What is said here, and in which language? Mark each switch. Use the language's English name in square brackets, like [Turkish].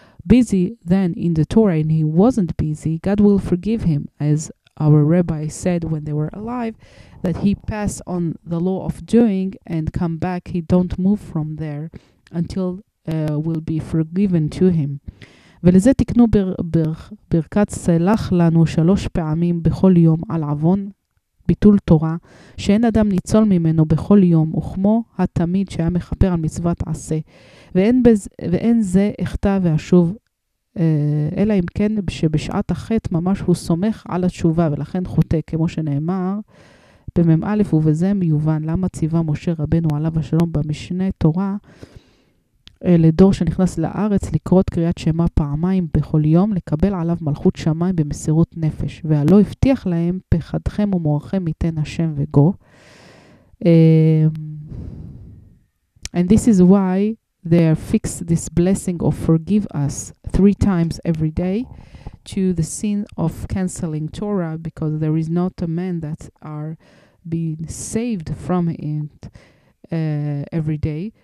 [English] busy then in the Torah and he wasn't busy, God will forgive him, as our rabbi said when they were alive, that he passed on the law of doing and come back, he don't move from there until will be forgiven to him. [Hebrew] ולזה תקנו ברכת סלח לנו שלוש פעמים בכל יום על עוון ביטול תורה, שאין אדם ניצול ממנו בכל יום, וכמו התמיד שהיה מחפר על מצוות עשה. ואין זה אחטא ואשוב, אלא אם כן שבשעת החטא ממש הוא סומך על התשובה, ולכן חוטא, כמו שנאמר, במם א' ובזה מיובן, למה ציווה משה רבנו עליו השלום במשנה תורה, לדור שנכנס לארץ לקרוא את קריאת שמע פעמיים בכל יום, לקבל עליו מלכות שמיים במסירות נפש, והלא הבטיח להם פחדכם ומורכם ייתן השם וגו. [English] And this is why they are fixed this blessing of forgive us three times every day to the sin of canceling Torah, because there is not a man that are being saved from it every day.